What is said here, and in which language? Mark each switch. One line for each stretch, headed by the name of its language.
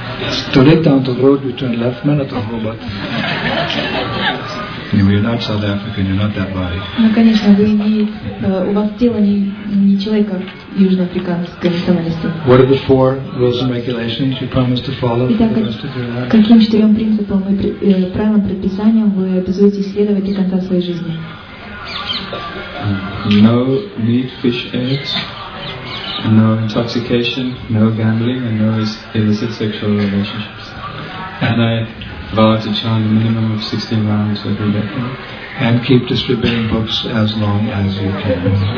English: Straight down the road between left man and the robot. You're not South African, you're not that body.
Russian: Ну, конечно, вы не... у вас тело не человека южноафриканской национальности.
English: What are the four rules and regulations you promised to follow?
Russian: Итак, каким четырем принципам и правилам предписания вы обязуетесь следовать до конца своей жизни?
English: No meat, fish, eggs. No intoxication, no gambling, and no illicit sexual relationships. And I vow to chant a minimum of 16 rounds every day. And keep distributing books as long as you can.